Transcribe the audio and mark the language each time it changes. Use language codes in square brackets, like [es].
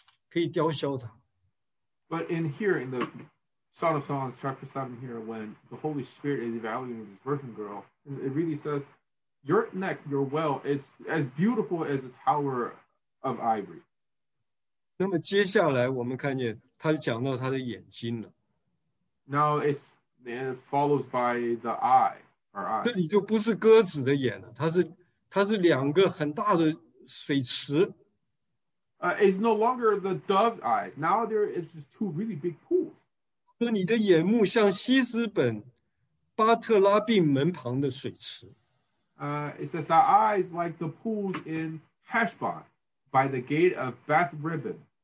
[zh] 但是这一个侍奉主的人成熟啊，圣灵好像评估他说，你的景象现在已经像象牙塔，是那么的美丽，那么容易可以雕削它。 [en] But in here, in the Son of Songs, chapter 7 here, when the Holy Spirit is evaluating this virgin girl, it really says, your neck, your well, is as beautiful as a tower of ivory. [zh] 那么接下来我们看见他讲到他的眼睛了。 [en] Now it follows by the eye, our eye. [zh] 这里就不是鸽子的眼了，它是两个很大的水池。 [en] It's no longer the dove's eyes. Now there is just two really big pools. [zh] 说你的眼目像西斯本巴特拉并门旁的水池。 [en] It says our eyes like the pools in Heshbon by the gate of Beth Ribbon.